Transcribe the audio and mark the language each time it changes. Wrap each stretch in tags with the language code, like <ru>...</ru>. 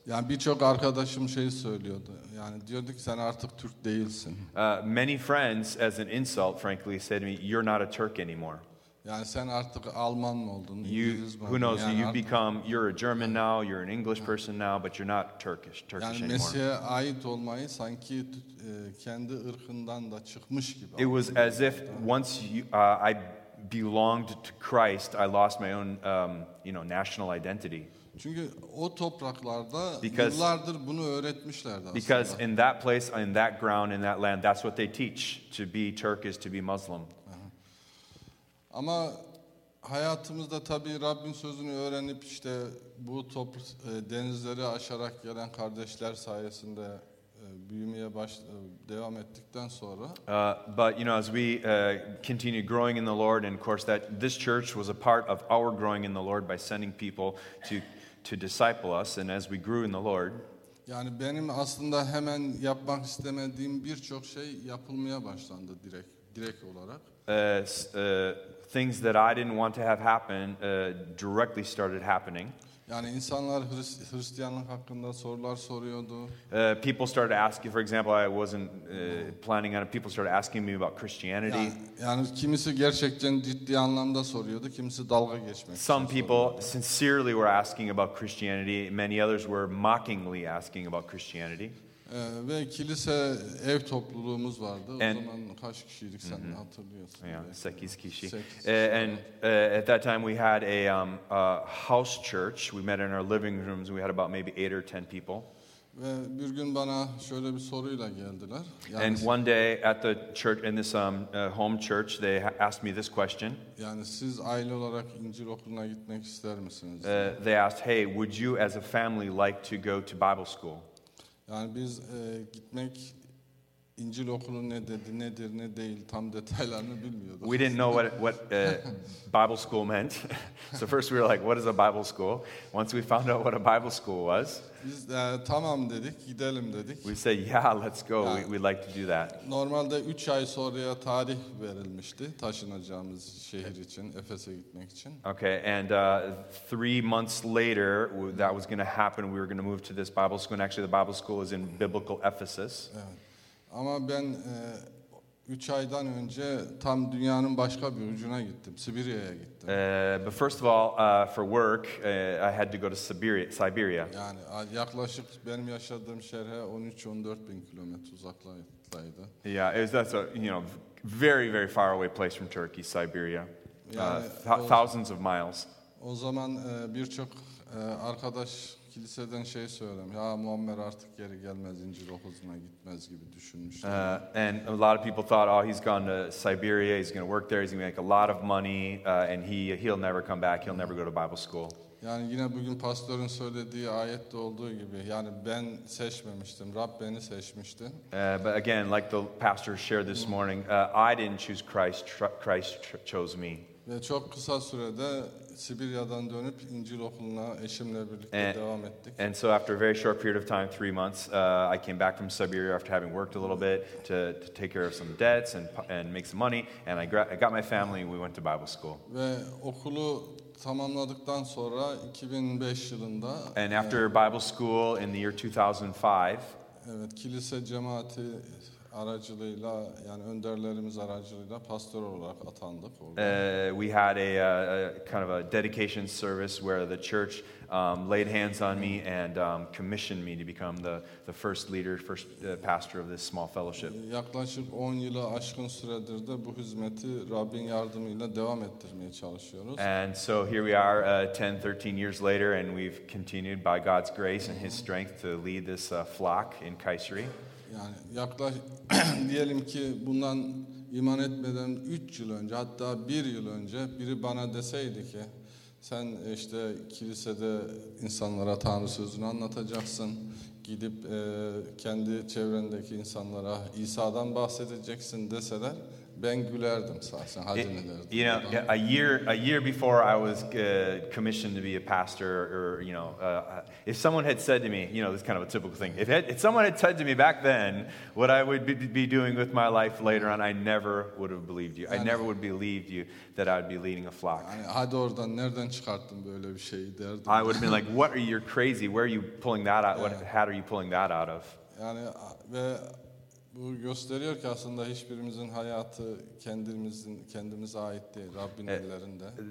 <tr>Yani birçok arkadaşım şey söylüyordu. Yani diyordu ki sen artık Türk değilsin.</tr> <en>Many friends, as an insult, frankly, said to me, "You're not a Turk anymore."</en> <tr>Yani sen artık Alman mı oldun?</tr> <en>Who knows?</en> <tr>Yani</tr> <en>you've become. You're a German now. You're an English person now, but you're not Turkish</en> <tr>yani</tr> <en>anymore.</en> <tr>Mesih'e ait olmayı sanki kendi ırkından da çıkmış gibi.</tr> <en>It was as if once I belonged to Christ, I lost my own, national identity.</en> <tr>Çünkü o topraklarda yıllardır bunu öğretmişlerdi aslında.</tr> <en>Because in that place, in that ground, in that land, that's what they teach. To be Turk is to be Muslim.</en> <tr>Ama hayatımızda tabii Rabbin sözünü öğrenip işte bu denizleri aşarak gelen kardeşler sayesinde büyümeye devam ettikten sonra</tr> <en>but you know as we continue growing in the Lord and of course that this church was a part of our growing in the Lord by sending people to disciple us and as we grew in the Lord</en> <tr>yani benim aslında hemen yapmak istemediğim birçok şey yapılmaya başlandı direkt olarak</tr> <en>things that I didn't want to have happen directly started happening.</en> <tr>Yani insanlar Hristiyanlık hakkında sorular soruyordu.</tr> <en>People started asking, for example, I wasn't planning on it. People started asking me about Christianity.</en> <tr>Yani kimisi gerçekten ciddi anlamda soruyordu, kimisi dalga geçmek.</tr> <en>Some people sincerely were asking about Christianity. Many others were mockingly asking about Christianity.</en> <tr>Ve kilise ev topluluğumuz vardı. And, o zaman kaç kişiydik sen hatırlıyorsun? Yeah, 8 kişi.</tr> <en>And at that time we had a house church. We met in our living rooms. We had about maybe 8 or 10 people.</en> <tr>Ve bir gün bana şöyle bir soruyla geldiler.</tr> <en>Yani and one day at the church in this home church they asked me this question.</en> <tr>Yani siz aile olarak İncil okuluna gitmek ister misiniz?</tr> <en>They asked, "Hey, would you as a family like to go to Bible school?"</en> <tr>Yani biz gitmek İncil okulu ne dedi nedir ne değil tam detaylarını bilmiyorduk.</tr> <en>We didn't know what Bible school meant. So first we were like, what is a Bible school? Once we found out what a Bible school was.</en> <tr>Biz tamam dedik, gidelim dedik.</tr> <en>We said, yeah, let's go. Yani, we'd like to do that.</en> <tr>Normalde 3 ay sonraya tarih verilmişti taşınacağımız şehir için, Efes'e gitmek için.</tr> <en>Okay, and 3 months later, that was going to happen. We were going to move to this Bible school. And actually, the Bible school is in biblical Ephesus.</en> <tr>Evet. Ama ben 3 aydan önce tam dünyanın başka bir ucuna gittim, Sibirya'ya gittim.</tr> <en>But first of all, for work, I had to go to Siberia.</en> <tr>Yani yaklaşık benim yaşadığım şehre 13-14 bin kilometre uzaklıktaydı.</tr> <en>Yeah, that's a very very far away place from Turkey, Siberia. Thousands of miles.</en> <tr>O zaman birçok arkadaş kiliseden şey söylemiş. Ya Muammer artık geri gelmez, İncil okuluna gitmez gibi düşünmüştü.</tr> <en>And a lot of people thought, oh, he's gone to Siberia, he's going to work there, he's going to make a lot of money, and he'll never come back, he'll never go to Bible school.</en> <tr>Yani yine bugün pastörün söylediği ayette olduğu gibi, yani ben seçmemiştim, Rab beni seçmişti.</tr> <en>But again, like the pastor shared this morning, I didn't choose Christ, Christ chose me.</en> <tr>Ve çok kısa sürede Sibirya'dan dönüp İncil okuluna eşimle birlikte devam ettik.</tr> <en>And so after a very short period of time, 3 months, I came back from Siberia after having worked a little bit to take care of some debts and make some money, and I got my family and we went to Bible school.</en> <tr>Ve okulu tamamladıktan sonra 2005 yılında</tr> <en>and after Bible school in the year 2005,</en> <tr>evet, kilise cemaati aracılığıyla yani önderlerimiz aracılığıyla pastör olarak atandık orada.</tr> <en>We had a kind of a dedication service where the church laid hands on me and commissioned me to become the first leader, first pastor of this small fellowship.</en> <tr>Yaklaşık 10 yılı aşkın süredir de bu hizmeti Rabbin yardımıyla devam ettirmeye çalışıyoruz.</tr> <en>And so here we are 10-13 years later and we've continued by God's grace and his strength to lead this flock in Kayseri.</en> <tr>Yani yaklaşık diyelim ki bundan iman etmeden 3 yıl önce, hatta 1 yıl önce biri bana deseydi ki sen işte kilisede insanlara Tanrı sözünü anlatacaksın, gidip kendi çevrendeki insanlara İsa'dan bahsedeceksin deseler, ben gülerdim sahsen, hadim ederdim.</tr> <en>You know, a year before I was commissioned to be a pastor, or you know, if someone had said to me, you know, this is kind of a typical thing. If someone had said to me back then what I would be doing with my life later on, I never would have believed you. Yani, I never would have believed you that I'd be leading a flock.</en> <tr>Yani, hadi oradan nereden çıkarttın böyle bir şeyi derdim.</tr> <en>I would have been like, what are you crazy? Where are you pulling that out? Yani, what hat are you pulling that out of?</en> <tr>Yani ve bu gösteriyor ki aslında hiçbirimizin hayatı kendimize ait değil, Rabbin ellerinde.</tr>